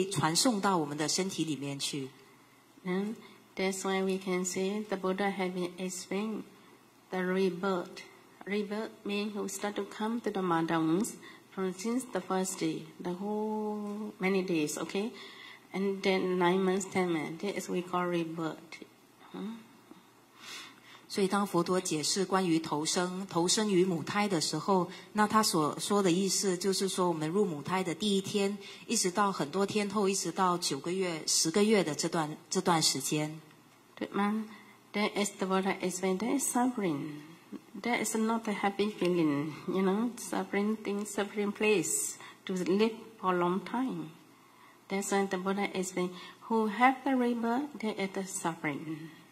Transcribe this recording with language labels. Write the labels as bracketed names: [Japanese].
[Chinese] 母亲当时呢一天一天的照顾我们。那凡是他所吃过的食物呢，就会被传送到我们的身体里面去。嗯。 [English] That's why we can say the Buddha has been explaining the rebirth. Rebirth means who start to come to the mother wombs from since the first day, the whole many days, okay? And then 9 months, 10 months, that is we call rebirth. Hmm? [Chinese] 所以当佛陀解释关于投生于母胎的时候，那他所说的意思就是说，我们入母胎的第一天， 一直到很多天后， 一直到九个月、十个月的这段时间。 [English] Man, that is the Buddha explain, that is suffering. That is not a happy feeling, you know, suffering thing, suffering place, to live for a long time. That's why the Buddha explain, who have the river, they are the suffering.